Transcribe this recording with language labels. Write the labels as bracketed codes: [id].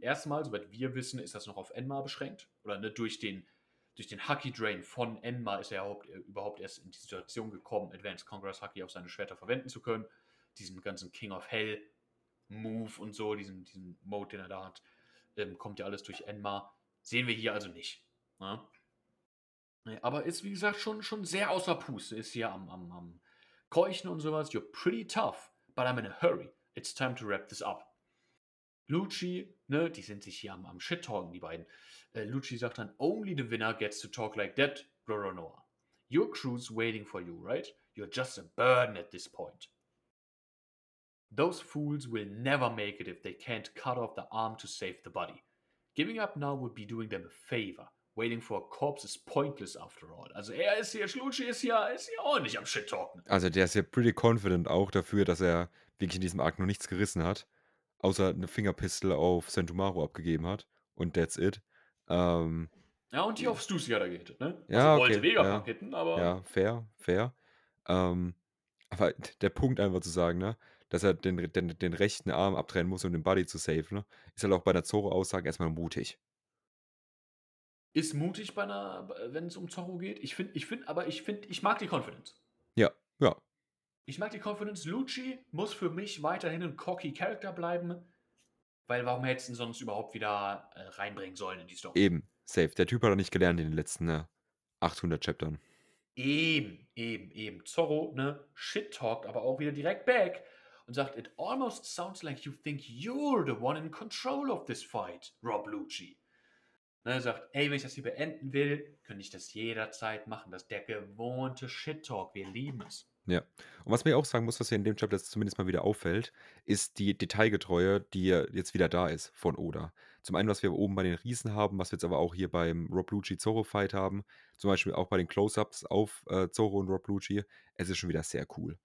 [de] Erstmal, soweit wir wissen, ist das noch auf Enma beschränkt. Oder ne, durch den Haki-Drain von Enma ist er überhaupt erst in die Situation gekommen, Advanced Conqueror's Haki auf seine Schwerter verwenden zu können. Diesen ganzen King of Hell-Move und so, diesen Mode, den er da hat, kommt ja alles durch Enma. Sehen wir hier also nicht. Ne? Aber ist, wie gesagt, schon sehr außer Puste. Ist hier am Keuchen und sowas. [en] You're pretty tough, but I'm in a hurry. It's time to wrap this up. [de] Lucci, ne, die sind sich hier am Shit-Talken, die beiden. Lucci sagt dann, only the winner gets to talk like that, Roronoa. [en] Your crew's waiting for you, right? You're just a burden at this point. Those fools will never make it if they can't cut off the arm to save the body. Giving up now would be doing them a favor. Waiting for a corpse is pointless after all. [de] Also er ist hier, Schlucci ist hier auch nicht am Shit-Talken. Also der ist ja pretty confident auch dafür, dass er wirklich in diesem Arc noch nichts gerissen hat. Außer eine Fingerpistole auf Sentomaru abgegeben hat. Und that's it. Ja, und die auf Stussy hat er gehittet, ne? Ja, also okay, wollte Vegapunk hitten, aber... Ja, fair. Aber der Punkt einfach zu sagen, ne? Dass er den rechten Arm abtrennen muss, um den Buddy zu safen, ne? Ist halt auch bei einer Zoro-Aussage erstmal mutig. Ist mutig bei einer, wenn es um Zoro geht? Ich mag die Confidence. Ja. Ich mag die Confidence. Lucci muss für mich weiterhin ein cocky Charakter bleiben, weil warum hättest du ihn sonst überhaupt wieder reinbringen sollen in die Story? Eben, safe. Der Typ hat er nicht gelernt in den letzten 800 Chaptern. Eben. Zoro, ne? Shit-talkt, aber auch wieder direkt back. Und sagt, it almost sounds like you think you're the one in control of this fight, Rob Lucci. Ne, sagt, ey, wenn ich das hier beenden will, könnte ich das jederzeit machen. Das ist der gewohnte Shit-Talk, wir lieben es. Ja, und was mir auch sagen muss, was hier in dem Chapter zumindest mal wieder auffällt, ist die Detailgetreue, die jetzt wieder da ist von Oda. Zum einen, was wir oben bei den Riesen haben, was wir jetzt aber auch hier beim Rob Lucci-Zoro-Fight haben, zum Beispiel auch bei den Close-Ups auf Zoro und Rob Lucci, es ist schon wieder sehr cool.